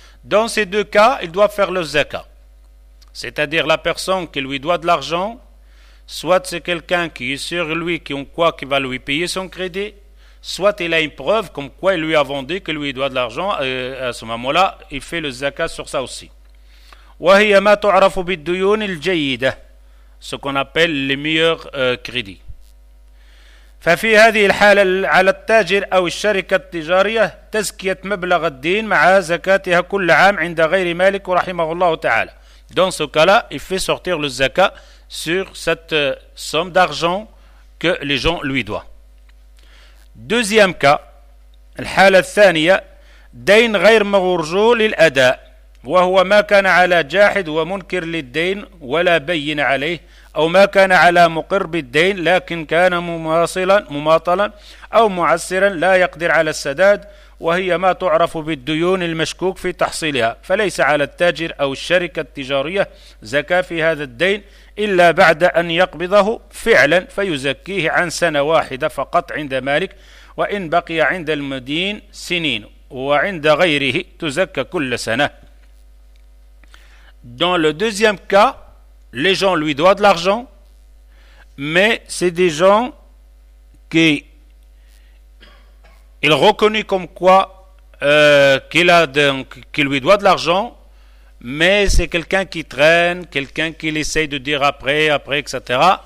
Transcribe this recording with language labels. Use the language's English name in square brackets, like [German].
[French] Dans ces deux cas, il doit faire le zakat. C'est-à-dire la personne qui lui doit de l'argent, soit c'est quelqu'un qui est sûr de lui, qu'en quoi qu'il va lui payer son crédit, soit il a une preuve comme quoi il lui a vendu, qu'il lui doit de l'argent, à ce moment-là, il fait le zakat sur ça aussi. [Arabic] وهي ما تعرف بالديون الجيدة, [French] ce qu'on appelle les meilleurs crédits. [Arabic] ففي هذه الحالة على التاجر أو الشركة التجارية تزكية مبلغ الدين مع زكاتها كل عام عند غير مالك رحمه الله تعالى. [French] Dans ce cas-là, il fait sortir le zakat sur cette somme d'argent que les gens lui doivent. Deuxième cas, [Arabic] الحالة الثانية دين غير مرجو للأداء. وهو ما كان على جاحد ومنكر للدين ولا بين عليه أو ما كان على مقر بالدين لكن كان مماطلا أو معسرا لا يقدر على السداد وهي ما تعرف بالديون المشكوك في تحصيلها فليس على التاجر أو الشركة التجارية زكاة في هذا الدين إلا بعد أن يقبضه فعلا فيزكيه عن سنة واحدة فقط عند مالك وإن بقي عند المدين سنين وعند غيره تزكى كل سنة. [French] Dans le deuxième cas, les gens lui doivent de l'argent, mais c'est des gens qu'il reconnut comme quoi qu'il lui doit de l'argent, mais c'est quelqu'un qui traîne, quelqu'un qui essaye de dire après, etc.